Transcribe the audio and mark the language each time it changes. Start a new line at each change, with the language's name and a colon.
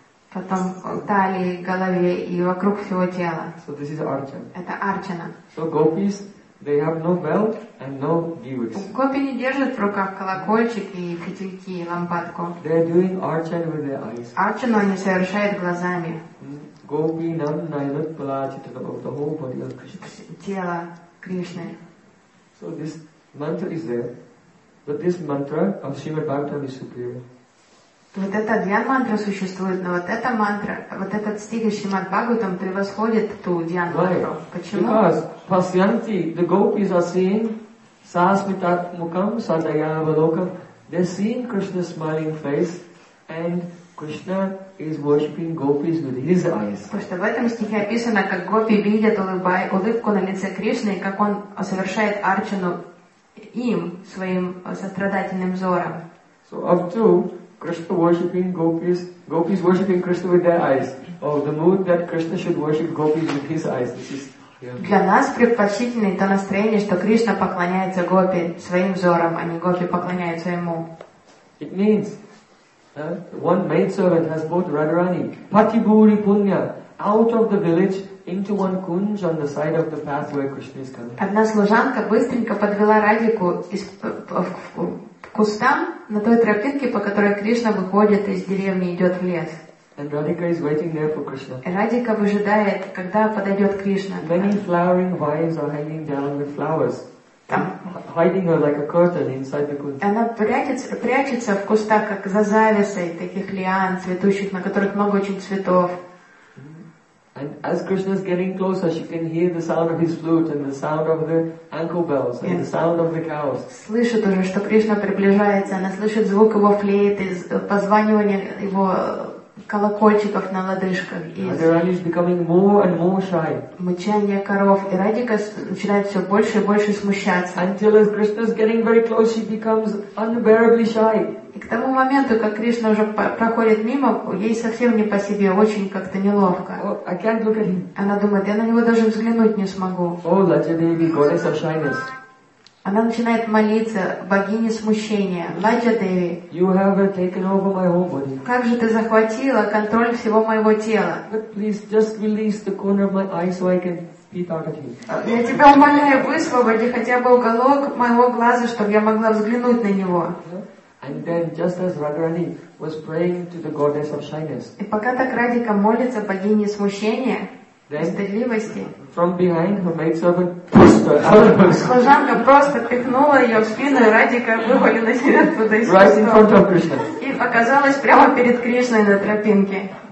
Russian: Потом талии, голове и вокруг всего тела.
English: So this is archana.
Russian: Это арчана.
English: So gopis, they have no belt and no gewgaws.
Russian: Гопи не держат в руках колокольчик и фитильки и лампадку.
English: They are doing archana with their eyes.
Russian: Арчану они совершают глазами.
Sanskrit: Gopi nam nayanut palachita tanum,
English: the whole body of Krishna.
Russian: Тело Кришны.
English: So this mantra is there, but this mantra of Srimad Bhagavatam is superior.
Russian: Вот эта дьян-мантра существует, но вот эта мантра, вот этот стих из Шримад-Бхагаватам превосходит ту дьян-мантру. Почему?
English: Because
Sanskrit: pasyanti,
English: the gopis are seeing
Sanskrit: sasmitat mukam sadaya avalokam.
English: They're seeing Krishna's smiling face and Krishna is worshipping gopis with his eyes.
Russian: Потому что в этом стихе описано, как гопи видят улыбку на лице Кришны, как он совершает арчану им, своим сострадательным взором.
English: So up to Krishna worshipping gopis, gopis worshipping Krishna with their eyes. Oh, the mood that Krishna should worship gopis with his eyes. This is
Russian: для нас предпочтительное то настроение, что Кришна поклоняется гопи своим взором, а не гопи поклоняются ему.
English: It means one maidservant has brought Radharani Patibhuri Punya out of the village into one kunj on the side of the path where Krishna is coming.
Russian: Одна служанка быстренько подвела Радику из кустам на той тропинке, по которой Кришна выходит из деревни и идет в лес.
English: And Radhika is waiting there for Krishna.
Russian: Радика выжидает, когда подойдет Кришна.
English: Many flowering vines are hanging down with flowers.
Russian: Там.
English: Hiding her like a curtain inside the kunj.
Russian: Она прячется в кустах, как за завесой таких лиан, цветущих, на которых много очень цветов.
English: And as Krishna is getting closer, she can hear the sound of his flute and the sound of the ankle bells and the sound of the cows.
Russian: Слышит уже, что Кришна приближается. Она слышит звук его флейты, позвонивание его колокольчиков на лодыжках.
English: Radharani is becoming more and more shy.
Russian: Мычание коров. И Радика начинает все больше и больше смущаться.
English: Until as Krishna is getting very close, she becomes unbearably shy.
Russian: И к тому моменту, как Кришна уже проходит мимо, ей совсем не по себе, очень как-то неловко.
English: Oh, I can't look at him.
Russian: Она думает, я на него даже взглянуть не смогу.
English: Oh, Lata Devi, goddess of shyness.
Russian: Она начинает молиться богине смущения.
English: Lata Devi, you have taken over my whole body.
Russian: Как же ты захватила контроль всего моего тела?
English: But please just release the corner of my eye so I can peep out at him.
Russian: Я тебя умоляю, высвободи хотя бы уголок моего глаза, чтобы я могла взглянуть на него.
English: And then, just as Radharani was praying to the goddess of shyness,
Russian: и пока так Радика молится богине смущения, стыдливости,
English: from behind her maidservant pushed her out of her.
Russian: Служанка просто пихнула ее в спину, и Радика вывалилась оттуда из кустов.
English: Right in front of Krishna.
Russian: И оказалась прямо перед Кришной на тропинке.